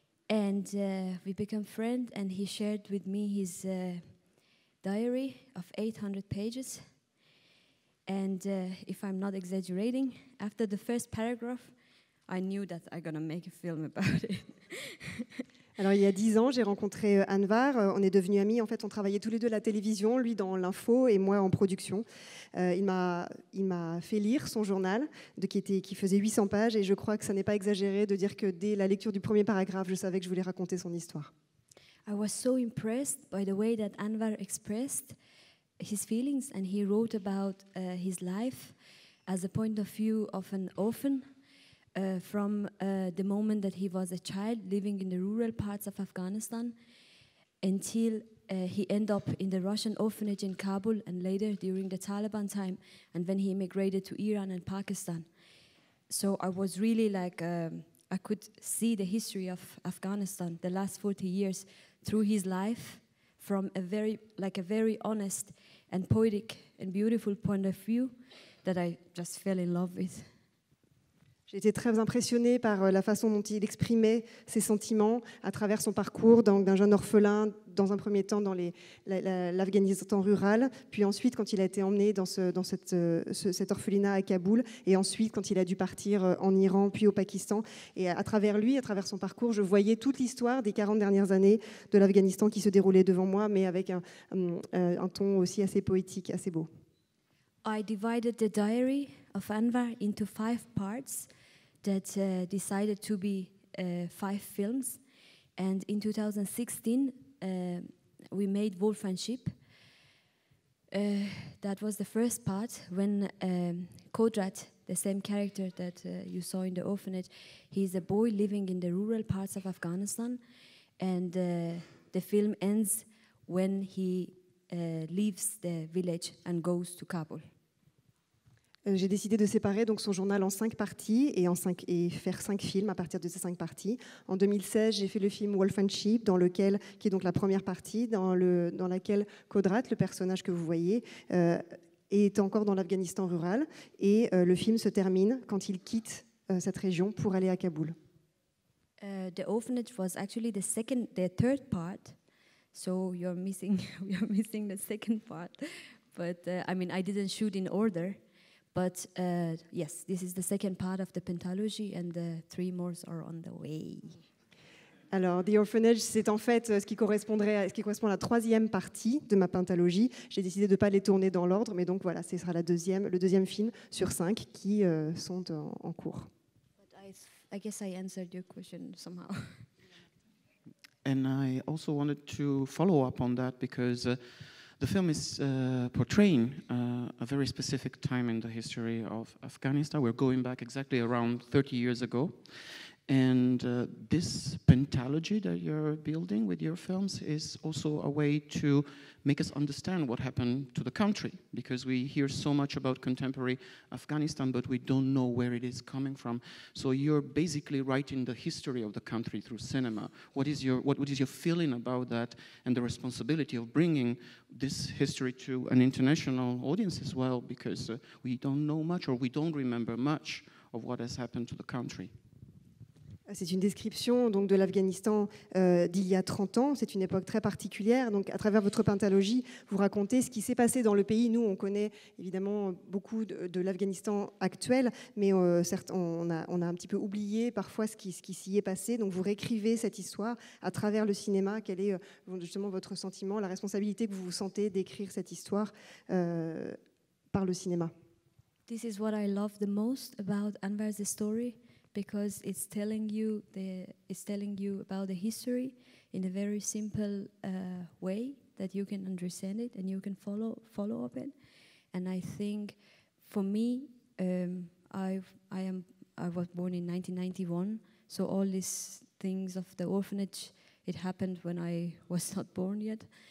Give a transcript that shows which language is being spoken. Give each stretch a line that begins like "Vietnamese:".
English: And we became friends, and he shared with me his diary of 800 pages. And if I'm not exaggerating, after the first paragraph, I knew that I'm gonna make a film about it.
French: Alors, il y a 10 ans, j'ai rencontré Anwar. On est devenus amis. En fait, on travaillait tous les deux à la télévision, lui dans l'info et moi en production. Il m'a fait lire son journal qui faisait 800 pages. Et je crois que ça n'est pas exagéré de dire que dès la lecture du premier paragraphe, je savais que je voulais raconter son histoire.
English: I was so impressed by the way that Anwar expressed his feelings and he wrote about his life as a point of view of an orphan. From the moment that he was a child living in the rural parts of Afghanistan until he ended up in the Russian orphanage in Kabul and later during the Taliban time and when he immigrated to Iran and Pakistan. So I was really like, I could see the history of Afghanistan the last 40 years through his life from a very honest and poetic and beautiful point of view that I just fell in love with.
French: J'ai été très impressionnée par la façon dont il exprimait ses sentiments à travers son parcours d'un jeune orphelin, dans un premier temps dans l'Afghanistan rural, puis ensuite quand il a été emmené dans cet orphelinat à Kaboul, et ensuite quand il a dû partir en Iran, puis au Pakistan. Et à travers lui, à travers son parcours, je voyais toute l'histoire des 40 dernières années de l'Afghanistan qui se déroulait devant moi, mais avec un ton aussi assez poétique, assez beau.
English: I divided the diary of Anwar into 5 parts that decided to be 5 films. And in 2016, we made Wolf and Sheep. That was the first part when Kodrat, the same character that you saw in the orphanage, he's a boy living in the rural parts of Afghanistan. And the film ends when he leaves the village and goes to Kabul.
French: J'ai décidé de séparer donc son journal en 5 parties et faire 5 films à partir de ces 5 parties. En 2016, j'ai fait le film Wolf and Sheep, qui est donc la première partie, dans laquelle Kodrat, le personnage que vous voyez, est encore dans l'Afghanistan rural. Et le film se termine quand il quitte cette région pour aller à Kaboul.
English: The orphanage was actually the third part. So you're missing the second part. But I mean, I didn't shoot in order. But yes, this is the second part of the pentalogy, and the 3 more are on the way.
French: Alors, The Orphanage, c'est en fait ce qui correspond à la 3e partie de ma pentalogie. J'ai décidé de ne pas les tourner dans l'ordre, mais donc voilà, ce sera le deuxième film sur 5 qui sont en cours.
English: But I I guess I answered your question somehow. And I also wanted to follow up on that because the film is portraying a very specific time in the history of Afghanistan. We're going back exactly around 30 years ago. And this pentalogy that you're building with your films is also a way to make us understand what happened to the country, because we hear so much about contemporary Afghanistan, but we don't know where it is coming from. So you're basically writing the history of the country through cinema. What is your feeling about that and the responsibility of bringing this history to an international audience as well, because we don't know much or we don't remember much of what has happened to the country?
French: C'est une description donc, de l'Afghanistan d'il y a 30 ans. C'est une époque très particulière. Donc, à travers votre pentalogie, vous racontez ce qui s'est passé dans le pays. Nous, on connaît évidemment beaucoup de l'Afghanistan actuel, mais certes, on a un petit peu oublié parfois ce qui s'y est passé. Donc, vous réécrivez cette histoire à travers le cinéma. Quel est justement votre sentiment, la responsabilité que vous vous sentez d'écrire cette histoire par le cinéma?
English: This is what I love the most about Anwar's story. Because it's telling you about the history in a very simple way that you can understand it and you can follow up it. And I think for me, I was born in 1991, so all these things of the orphanage, it happened when I was not born yet.